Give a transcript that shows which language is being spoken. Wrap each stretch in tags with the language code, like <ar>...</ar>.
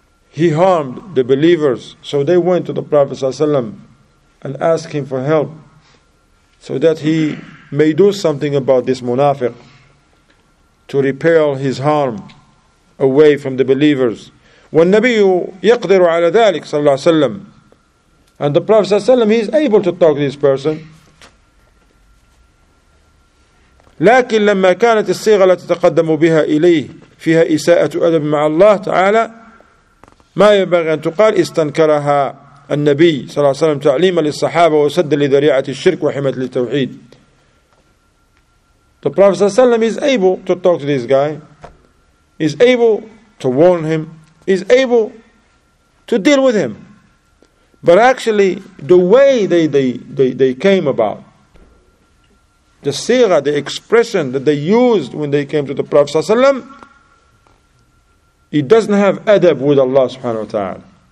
<en>He harmed the believers, so they went to the Prophet ﷺ and asked him for help, so that he may do something about this munafiq, to repel his harm away from the believers.</en> <ar>وَالنَّبِيُّ يَقْدِرُ عَلَى ذَلِكَ صَلَّى اللَّهُ عَلَيْهِ وَسَلَّمَ.</ar> <en>And the Prophet ﷺ, he is able to talk to this person.</en> <ar>لكن لما كانت الصيغة التي تقدم بها إليه فيها إساءة أدب مع الله تعالى ما ينبغي أن تقال استنكرها النبي صلى الله عليه وسلم تعليما للصحابة وسد لذريعة الشرك وحماية للتوحيد.</ar> <en>The Prophet ﷺ is able to talk to this guy, is able to warn him, is able to deal with him. But actually, the way they came about, the sigha, the expression that they used when they came to the Prophet ﷺ, it doesn't have adab with Allah subhanahu wa ta'ala.</en>